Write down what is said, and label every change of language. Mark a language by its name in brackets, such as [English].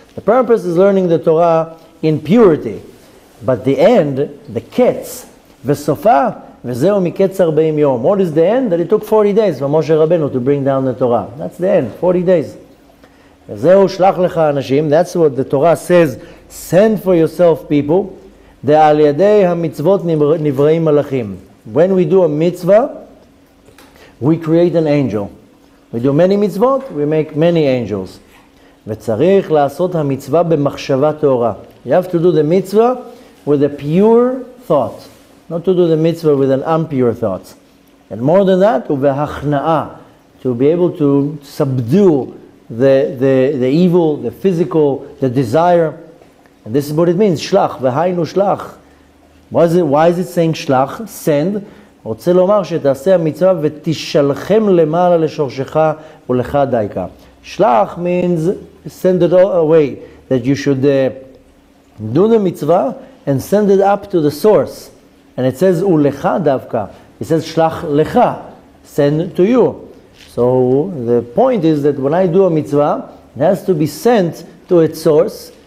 [English] The purpose is learning the Torah in purity. But the end, the ketz, v'sofa, [Hebrew] וזהו מקץ 40 יום. [English] What is the end? That it took 40 days for Moshe Rabbeinu to bring down the Torah. That's the end, 40 days. [Hebrew] וזהו שלח לך אנשים. [English] That's what the Torah says. Send for yourself people. [Hebrew] דעל ידי המצוות נבראים מלאכים. [English] When we do a mitzvah, we create an angel. We do many mitzvot, we make many angels. [Hebrew] וצריך לעשות המצווה במחשבה טהורה. [English] You have to do the mitzvah with a pure thought. Not to do the mitzvah with an impure thoughts. And more than that, to be able to subdue the evil, the physical, the desire. And this is what it means, shlach, [Hebrew] v'haynu shlach. [English] Why is it saying shlach, send? [Hebrew] רוצה לומר שתעשה המצווה ותשלחם למעלה לשורשך ולך דייקה. [English] Shlach means send it all away. That you should do the mitzvah and send it up to the source. And it says ulecha davka. It says shlach lecha, send to you. So the point is that when I do a mitzvah, it has to be sent to its source.